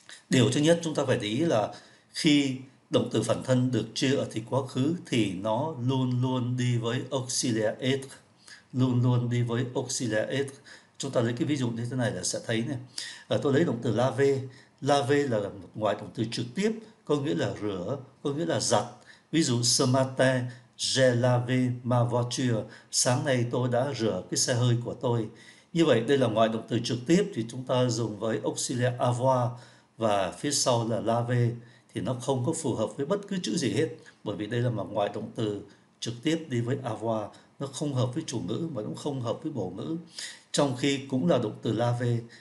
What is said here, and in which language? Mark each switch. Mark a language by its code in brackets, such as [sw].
[vi] Điều thứ nhất chúng ta phải để ý là khi động từ phản thân được chia ở thì quá khứ thì nó luôn luôn đi với auxiliary être, luôn luôn đi với auxiliary être. Chúng ta lấy cái ví dụ như thế này là sẽ thấy này. Tôi lấy động từ laver. Laver là một ngoại động từ trực tiếp, có nghĩa là rửa, có nghĩa là giặt. Ví dụ [fr] ce matin, j'ai lavé ma voiture. [vi] Sáng nay tôi đã rửa cái xe hơi của tôi. Như vậy đây là ngoại động từ trực tiếp thì chúng ta dùng với auxiliary avoir, và phía sau là laver thì nó không có phù hợp với bất cứ chữ gì hết, bởi vì đây là một ngoại động từ trực tiếp đi với avoir, nó không hợp với chủ ngữ mà cũng không hợp với bổ ngữ, trong khi cũng là động từ laver.